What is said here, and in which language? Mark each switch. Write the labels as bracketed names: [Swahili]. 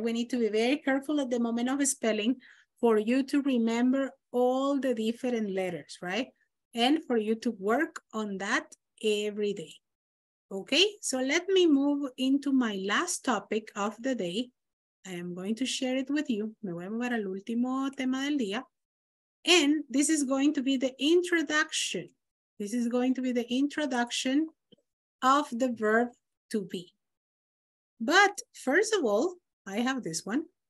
[English] We need to be very careful at the moment of spelling for you to remember all the different letters, right? And for you to work on that every day. Okay, so let me move into my last topic of the day. I am going to share it with you. [Spanish] Me voy a mover al último tema del día. [English] And this is going to be the introduction. This is going to be the introduction of the verb to be. But first of all, I have this one.